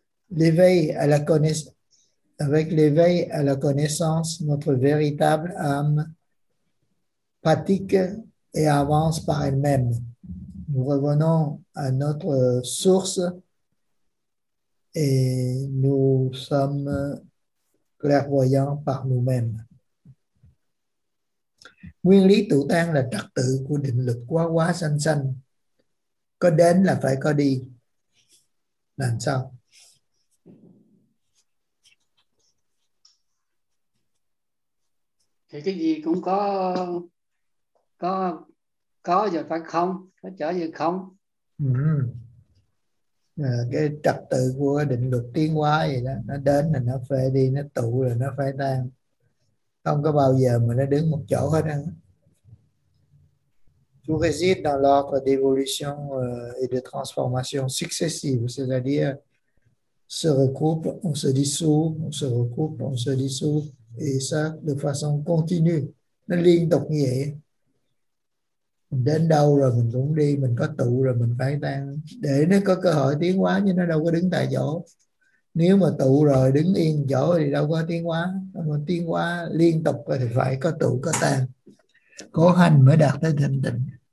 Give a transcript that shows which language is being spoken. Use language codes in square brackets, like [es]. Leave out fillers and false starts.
[fr] L'éveil à la connaissance, avec l'éveil à la connaissance, notre véritable âme pratique et avance par elle-même. Nous revenons à notre source et nous sommes clairvoyants par nous-mêmes. [vi] Nguyên lý tụ tang là trật tự của định lực quá quá sanh sanh. Có đến là phải có đi. Làm sao? Thì cái gì cũng có rồi phải không? Có trở về không? Cái trật tự của định lực tiến hóa gì đó. Nó đến là nó phải đi, nó tụ là nó phải tan. Không có bao giờ mà nó đứng một chỗ hết á. [fr] Tout réside dans l'ordre d'évolution et de transformation successive, c'est-à-dire se recoupe, on se dissout, on se recoupe, on se dissout, et ça de façon continue. [vi] Nó liên tục như vậy. Mình đến đâu rồi mình cũng đi, mình có tụ rồi mình phải tan. Để nó có cơ hội tiến hóa chứ nó đâu có đứng tại chỗ. Nếu mà tụ rồi đứng yên chỗ thì đâu có tiến hóa. Mà tiến hóa liên tục thì phải có tụ có tan. Cố hành mới đạt tới thanh tịnh.